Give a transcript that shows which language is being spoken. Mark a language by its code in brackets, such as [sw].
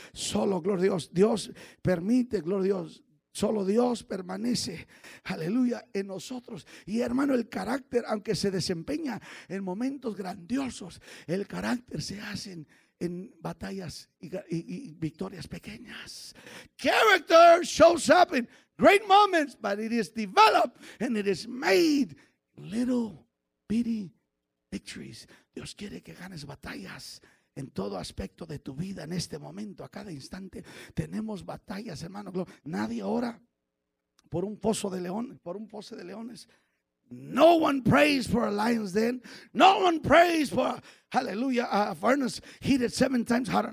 [es] Solo, gloria a Dios, Dios permite, gloria a Dios, solo Dios permanece, aleluya, en nosotros. Y hermano, el carácter, aunque se desempeña en momentos grandiosos, el carácter se hace en batallas y victorias pequeñas. [en] Character shows up in great moments, but it is developed and it is made little bitty victories. [es] Dios quiere que ganes batallas en todo aspecto de tu vida, en este momento, a cada instante. Tenemos batallas, hermano. Nadie ora por un pozo de leones, por un pozo de leones. [en] No one prays for a lion's den. No one prays for, hallelujah, a furnace heated 7 times hotter.